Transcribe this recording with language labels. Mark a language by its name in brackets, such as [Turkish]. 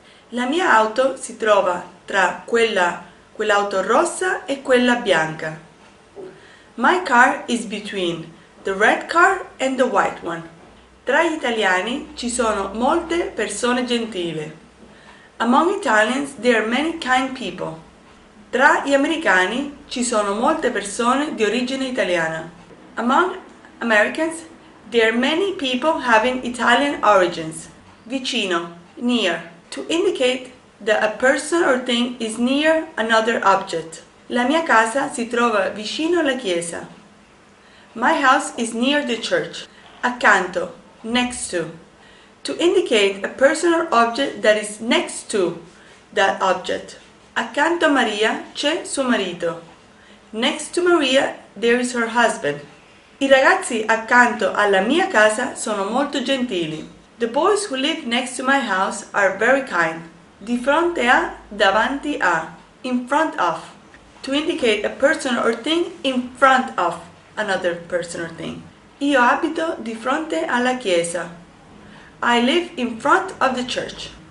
[Italian] La mia auto si trova tra quell'auto rossa e quella bianca. [English] My car is between the red car and the white one. [Italian] Tra gli italiani ci sono molte persone gentili. [English] Among Italians there are many kind people. [Italian] Tra gli americani ci sono molte persone di origine italiana. [English] Among Americans there are many people having Italian origins. Vicino, near, to indicate that a person or thing is near another object. [Italian] La mia casa si trova vicino alla chiesa. [English] My house is near the church. Accanto, next to indicate a person or object that is next to that object. [Italian] Accanto a Maria c'è suo marito. [English] Next to Maria there is her husband. [Italian] I ragazzi accanto alla mia casa sono molto gentili. [English] The boys who live next to my house are very kind. [Italian] Di fronte a, davanti a. [English] In front of. To indicate a person or thing in front of another person or thing. [Italian] Io abito di fronte alla chiesa. [English] I live in front of the church.